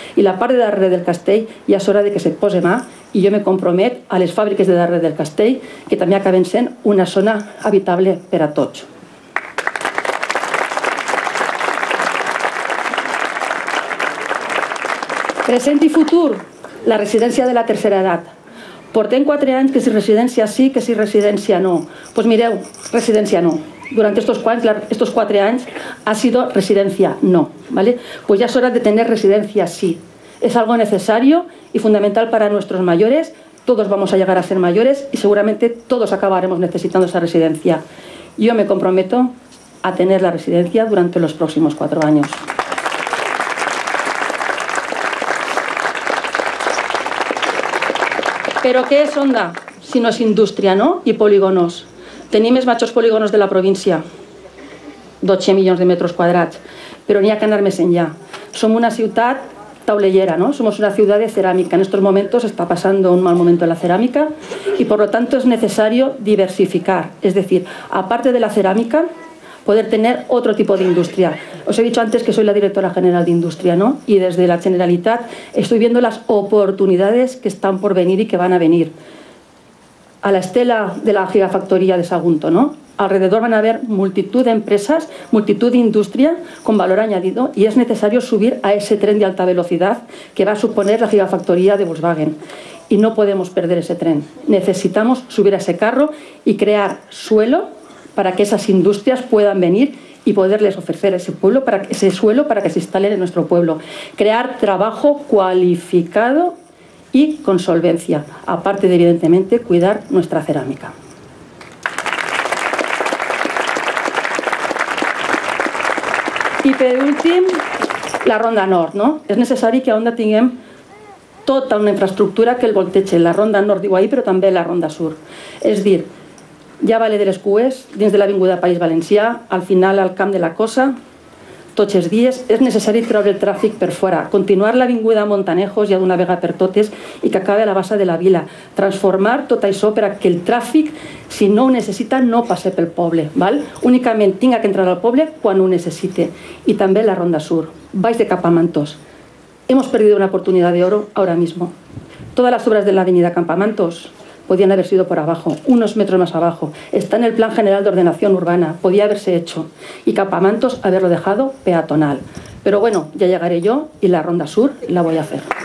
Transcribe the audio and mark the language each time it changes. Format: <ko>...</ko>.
<ca>I la part de darrere del castell ja és hora que se posi mà, i jo em compromet a les fàbriques de darrere del castell, que també acaben sent una zona habitable per a tots. Present i futur, la residència de la tercera edat. Portem quatre anys que si residència sí, que si residència no. Doncs mireu, residència no.</ca> <es>Durante estos cuatro años ha sido residencia no, ¿vale? Pues ya es hora de tener residencia sí. Es algo necesario y fundamental para nuestros mayores. Todos vamos a llegar a ser mayores y seguramente todos acabaremos necesitando esa residencia. Yo me comprometo a tener la residencia durante los próximos cuatro años. ¿Pero qué es Onda si no es industria, ¿no?, y polígonos?</es> <ca>Tenim els majors polígonos de la província, 12 milions de metres quadrats, però n'hi ha que anar més enllà. Som una ciutat taulellera, ¿no?</ca> <es>Somos una ciudad de cerámica. En estos momentos está pasando un mal momento en la cerámica y por lo tanto es necesario diversificar. Es decir, aparte de la cerámica, poder tener otro tipo de industria. Os he dicho antes que soy la directora general de industria, ¿no? Y desde la Generalitat estoy viendo las oportunidades que están por venir y que van a venir. A la estela de la gigafactoría de Sagunto, ¿no? Alrededor van a haber multitud de empresas, multitud de industria con valor añadido, y es necesario subir a ese tren de alta velocidad que va a suponer la gigafactoría de Volkswagen. Y no podemos perder ese tren. Necesitamos subir a ese carro y crear suelo para que esas industrias puedan venir y poderles ofrecer ese pueblo, para ese suelo para que se instalen en nuestro pueblo. Crear trabajo cualificado y con solvencia, aparte de, evidentemente, cuidar nuestra cerámica.</es> <ca>Y per últim, la Ronda Nord, ¿no? És necessari que a Onda tinguem tota una infraestructura que el voltege, la Ronda Nord, diu ahí, però també la Ronda Sur. És dir, ja vale de les cues, dins de l'Avinguda País Valencià, al final al Camp de la Cosa, tots els dies, és necessari treure el tràfic per fora, continuar l'Avinguda Montanejos ja d'una vegada per totes i que acabi a la bassa de la vila, transformar tot això perquè el tràfic, si no ho necessita, no passi pel poble, val? Únicament tinga que entrar al poble quan ho necessite. I també la Ronda Sur, baix de Campamantos.</ca> <es>Hemos perdido una oportunidad de oro ahora mismo. Todas las obras de la avenida Campamantos podían haber sido por abajo, unos metros más abajo. Está en el Plan General de Ordenación Urbana, podía haberse hecho. Y Campamantos haberlo dejado peatonal. Pero bueno, ya llegaré yo y la Ronda Sur la voy a hacer.</es>